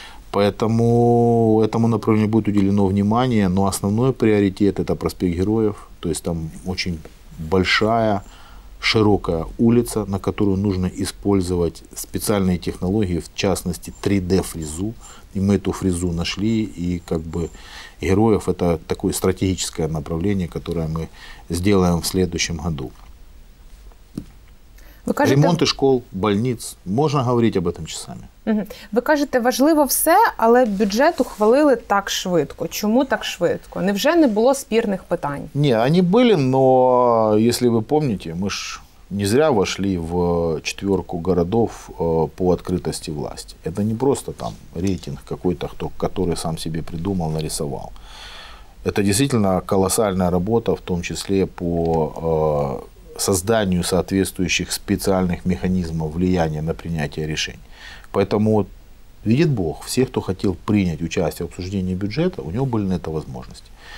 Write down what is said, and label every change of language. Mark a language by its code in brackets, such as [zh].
[ru] Поэтому этому направлению будет уделено внимание, но основной приоритет – это проспект Героев, то есть там очень большая, широкая улица, на которую нужно использовать специальные технологии, в частности 3D-фрезу, и мы эту фрезу нашли, и как бы Героев – это такое стратегическое направление, которое мы сделаем в следующем году. [uk] Ви кажете... [ru] Ремонты школ, больниц. Можно говорить об этом часами. [uk] Ви кажете, важливо все, але бюджет ухвалили так швидко. Чому так швидко? Невже не було спірних питань? Ні, вони були, але, якщо ви пам'ятаєте, ми ж [ru] не зря вошли в четверку городов по открытости власти. Это не просто там рейтинг какой-то, кто, который сам себе придумал, нарисовал. Это действительно колоссальная работа, в том числе по созданию соответствующих специальных механизмов влияния на принятие решений. Поэтому, видит Бог, все, кто хотел принять участие в обсуждении бюджета, у него были на это возможности.